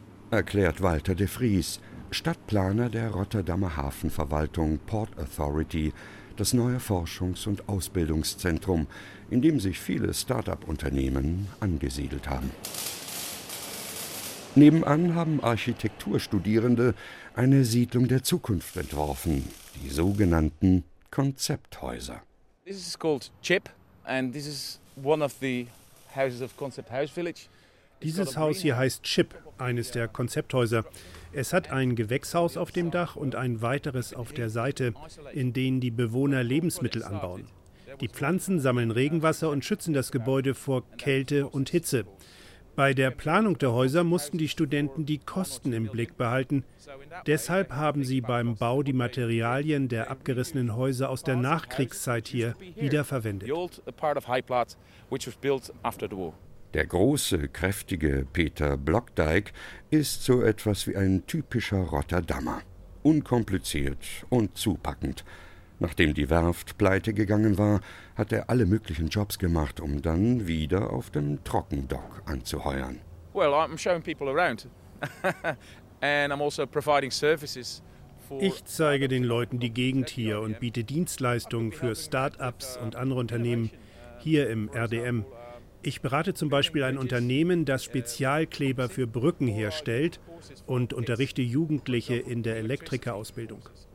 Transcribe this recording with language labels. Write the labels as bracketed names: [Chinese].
[German] Erklärt Walter de Vries, Stadtplaner der Rotterdamer Hafenverwaltung Port Authority, das neue Forschungs- und Ausbildungszentrum, in dem sich viele Start-up-Unternehmen angesiedelt haben. Nebenan haben Architekturstudierende eine Siedlung der Zukunft entworfen, die sogenannten Konzepthäuser. [English] This is called CHIP, and this is one of the houses of Concept House Village. [German] Dieses Haus hier heißt CHIP, eines der Konzepthäuser. Es hat ein Gewächshaus auf dem Dach und ein weiteres auf der Seite, in denen die Bewohner Lebensmittel anbauen. Die Pflanzen sammeln Regenwasser und schützen das Gebäude vor Kälte und Hitze. Bei der Planung der Häuser mussten die Studenten die Kosten im Blick behalten. Deshalb haben sie beim Bau die Materialien der abgerissenen Häuser aus der Nachkriegszeit hier wiederverwendet. Der große, kräftige Peter Blokdijk ist so etwas wie ein typischer Rotterdamer. Unkompliziert und zupackend. Nachdem die Werft pleite gegangen war, hat er alle möglichen Jobs gemacht, um dann wieder auf dem Trockendock anzuheuern. [English] Well, I'm showing people around. And I'm also providing services. [German] Ich zeige den Leuten die Gegend hier und biete Dienstleistungen für Start-ups und andere Unternehmen hier im RDM. Ich berate zum Beispiel ein Unternehmen, das Spezialkleber für Brücken herstellt und unterrichte Jugendliche in der Elektrikerausbildung.